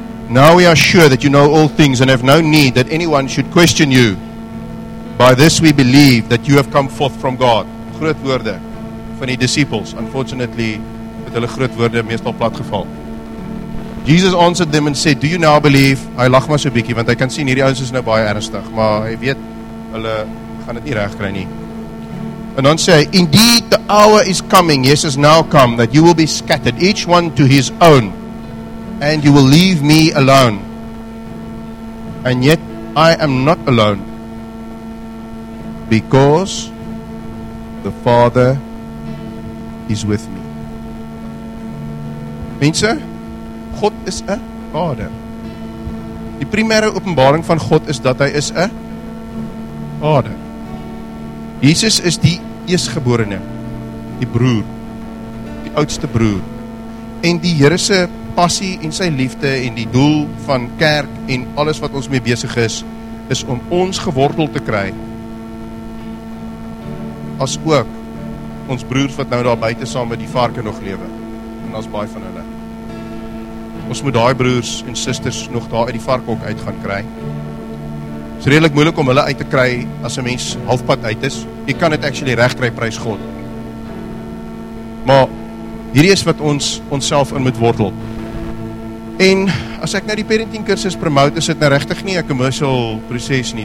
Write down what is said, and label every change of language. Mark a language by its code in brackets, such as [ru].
[en] Now we are sure that you know all things and have no need that anyone should question you. By this we believe that you have come forth from God." [af] Groot woorde van die disciples. Unfortunately, het hulle groot woorde meestal platgeval. [en] Jesus answered them and said, "Do you now believe?" [af] Hy lag maar so bietjie, want hy kan sien hierdie ouens is nou baie ernstig, maar hy weet, hulle gaan het nie reg kry nie. En dan sê hy, [en] "Indeed, the hour is coming, yes, has now come, that you will be scattered, each one to his own, and you will leave me alone. And yet, I am not alone, because the Father is with me." [af] Mense, God is 'n Vader. Die primêre openbaring van God is dat hy is 'n Vader. Jesus is die eerstgeborene, die broer, die oudste broer. En die Here se passie en sy liefde en die doel van kerk en alles wat ons mee besig is, is om ons gewortel te kry. As ook ons broers wat nou daar buite saam met die varke nog lewe. En daar's baie van hulle. Ons moet daai broers en susters nog daar uit die varkhok uit gaan kry. Dit is redelik moeilik om hulle uit te kry as 'n mens halfpad uit is. Jy kan dit actually reg kry, prys God. Maar hierdie is wat ons onsself in moet wortel. En as ek nou die parenting kursus promote, is dit nou regtig nie 'n commercial proses nie.